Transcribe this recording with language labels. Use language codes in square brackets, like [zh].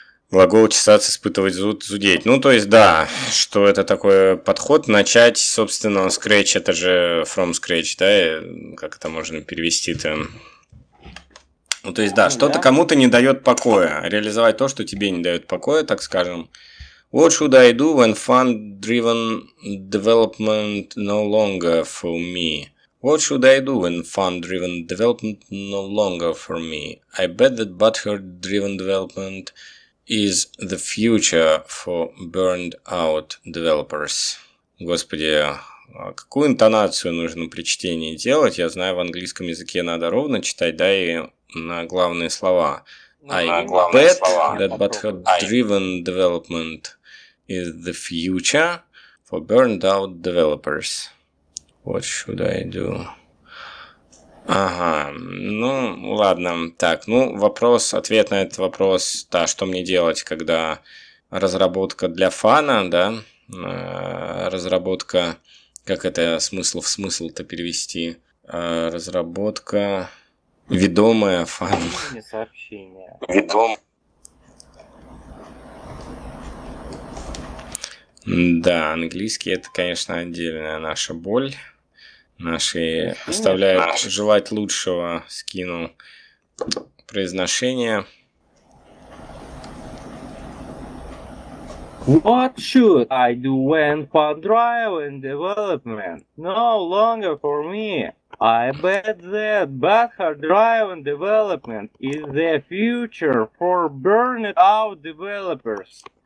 [ru] Глагол «чесаться», «испытывать», зуд, «зудеть». Ну, то есть, да, что это такой подход. Начать, собственно, scratch, это же [en] from scratch, [ru] да, как это можно перевести-то. Ну, то есть, да, что-то кому-то не дает покоя. Реализовать то, что тебе не дает покоя, так скажем. [en] What should I do when fun-driven development no longer for me? What should I do when fun-driven development no longer for me? I bet that butthurt-driven development... Is the future for burned out developers? [ru] Господи, какую интонацию нужно при чтении делать? Я знаю, в английском языке надо ровно читать, да, и на главные слова. [en] I bet that butthurt-driven development is the future for burned out developers. What should I do? [ru] Ага, ну ладно, так, ну вопрос, ответ на этот вопрос, да, что мне делать, когда разработка для фана, да, разработка, как это смысл в смысл-то перевести, разработка ведомая фан. Сообщение. Ведом. Да, английский это, конечно, отдельная наша боль. Наши оставляют желать лучшего, скину произношение. [en] What should I do when fun-driven development no longer for me? I bet that butthurt-driven development is the future for burned-out developers.